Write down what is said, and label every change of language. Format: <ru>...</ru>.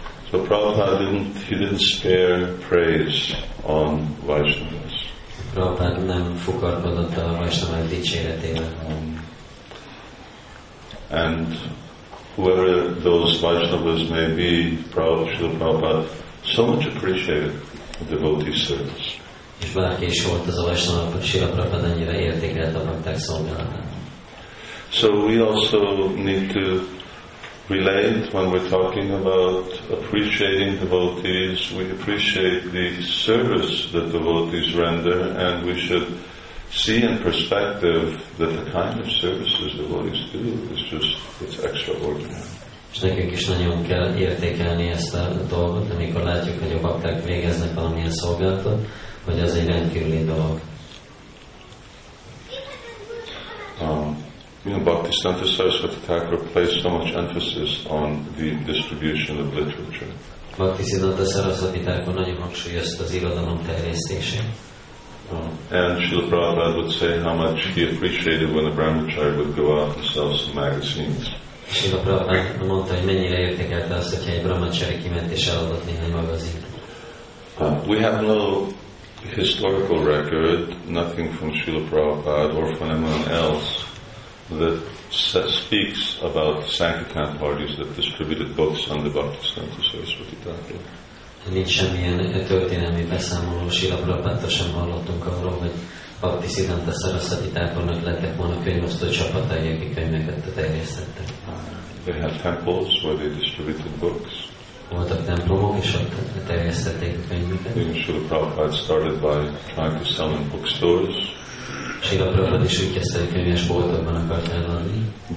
<en>So Prabhupada didn't spare praise on Vaishnavas.</en> <hu>Prabhupada nem fukarkodott a Vaishnavas dicséretében.</hu> <en>And whoever those Vaishnavas may be, Srila Prabhupada so much appreciated the devotee service.</en> <hu>És bárki is volt az a Vaishnava, Srila Prabhupada annyira értékelt a bakták szolgálatát.</hu> <en>So we also need to relate when we're talking about appreciating devotees. We appreciate the service that devotees render, and we should see in perspective that the kind of services devotees do is just—it's extraordinary.</en> <hu>És nekünk is nagyon kell értékelni ezt a dolgot, amikor látjuk, hogy a bakták végeznek valamilyen szolgálatot, hogy az egy rendkívüli dolog.</hu> <en>You know, Bhaktisiddhanta Saraswati Thakur placed so much emphasis on the distribution of literature.</en> <hu>Bhaktisiddhanta Saraswati Thakur nagyon hangsúlyozta az irodalom terjesztését.</hu> <en>And Srila Prabhupada would say how much he appreciated when a brahmachari would go out and sell some magazines.</en> <hu>Srila Prabhupada mondta, hogy mennyire értékelte azt, hogyha egy brahmachari kiment és eladott néhány magazint.</hu> <en>We have no historical record, nothing from Srila Prabhupada or from anyone else, that speaks about Sankirtan parties that distributed books on the Bhaktisiddhanta Saraswati Thakur.</en> <hu>Nincs semmilyen történelmi beszámoló, Srila Prabhupádtól sem hallottunk arról, hogy Bhaktisiddhanta Saraswati Thakurnak lettek volna könyvosztó csapatai, akik könyveket terjesztettek.</hu> <en>They had temples where they distributed books.</en> <hu>voltak templomok, és ott terjesztették a könyveket.</hu> <en>Even Srila Prabhupada started by trying to sell in bookstores.</en> <hu>Srila Prabhupada is úgy kezdte, hogy könyves boltokban akart eladni.</hu>